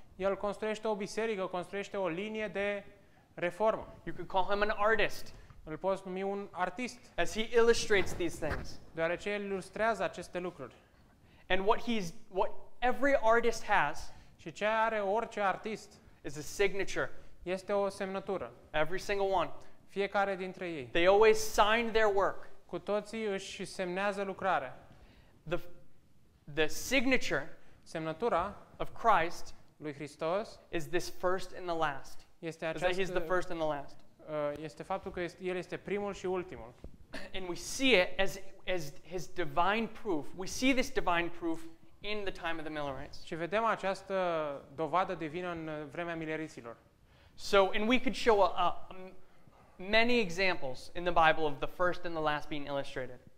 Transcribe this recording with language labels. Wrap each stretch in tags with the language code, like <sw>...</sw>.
<ro>El construiește o biserică, construiește o linie de reformă.</ro> <en>You could call him an artist.</en> <ro>Îl poți numi un artist.</ro> <en>As he illustrates these things.</en> <ro>Deoarece el ilustrează aceste lucruri.</ro> <en>And what every artist has.</en> <ro>Și ce are orice artist.</ro> <en>Is a signature.</en> <ro>Este o semnătură.</ro> <en>Every single one.</en> <ro>Fiecare dintre ei.</ro> <en>They always sign their work.</en> <ro>Cu toții își semnează lucrarea.</ro> <en>The signature,</en> <ro>semnătura</ro> <en>of Christ,</en> <ro>lui Hristos,</ro> <en>is this first and the last.</en> <ro>Este acest,</ro> <en>that he's the first and the last.</en> <ro>Este faptul că el este primul și ultimul.</ro> <en>And we see it as his divine proof. We see this divine proof in the time of the Millerites.</en> <ro>Și vedem această dovadă divină în vremea mileriților.</ro> <en>So, and we could show many examples in the Bible of the first and the last being illustrated.</en>